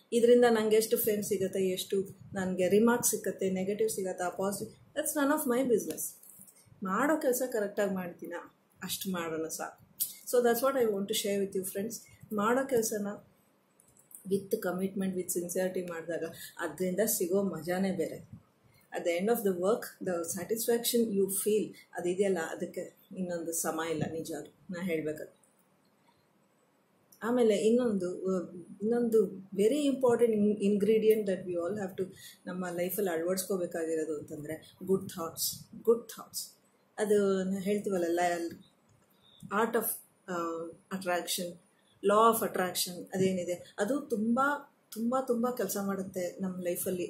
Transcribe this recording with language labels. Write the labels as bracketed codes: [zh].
[kn] ಇದರಿಂದ ನನಗೆ ಎಷ್ಟು ಫೇಮ್ ಸಿಗುತ್ತೆ, ಎಷ್ಟು ನನಗೆ ರಿಮಾರ್ಕ್ಸ್ ಸಿಗುತ್ತೆ, ನೆಗೆಟಿವ್ ಸಿಗುತ್ತಾ, positive, [en] That's none of my business. [kn] ಮಾಡೋ ಕೆಲಸ ಕರೆಕ್ಟಾಗಿ ಮಾಡ್ತೀನಾ ಅಷ್ಟು ಮಾಡೋಣ ಸಾಕು. [en] So that's what I want to share with you friends. [kn] ಮಾಡೋ ಕೆಲಸನ ವಿತ್ ಕಮಿಟ್ಮೆಂಟ್, ವಿತ್ ಸಿನ್ಸಿಯರ್ಟಿ ಮಾಡಿದಾಗ ಅದರಿಂದ ಸಿಗೋ ಮಜಾನೇ ಬೇರೆ. [en] At the end of the work, the satisfaction you feel, [kn] ಅದು ಇದೆಯಲ್ಲ, ಅದಕ್ಕೆ ಇನ್ನೊಂದು ಸಮಯ ಇಲ್ಲ ನಿಜವಾಗ್ಲು ನಾ ಹೇಳಬೇಕು. ಆಮೇಲೆ ಇನ್ನೊಂದು [en] very important ingredient that we all have to [kn] ನಮ್ಮ ಲೈಫಲ್ಲಿ ಅಳವಡಿಸ್ಕೋಬೇಕಾಗಿರೋದು ಅಂತಂದರೆ ಗುಡ್ ಥಾಟ್ಸ್. ಅದು ಹೇಳ್ತೀವಲ್ಲ, art of attraction, law of attraction, ಅದೇನಿದೆ ಅದು ತುಂಬ ತುಂಬ ತುಂಬ ಕೆಲಸ ಮಾಡುತ್ತೆ ನಮ್ಮ ಲೈಫಲ್ಲಿ.